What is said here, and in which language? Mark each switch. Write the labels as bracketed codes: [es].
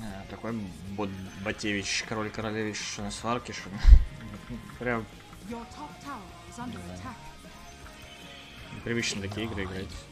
[ru] Такой Ботевич, король королевич, что на сварке, что прям. [en] Your top tower is under attack. [ru] Привычно такие игры играть.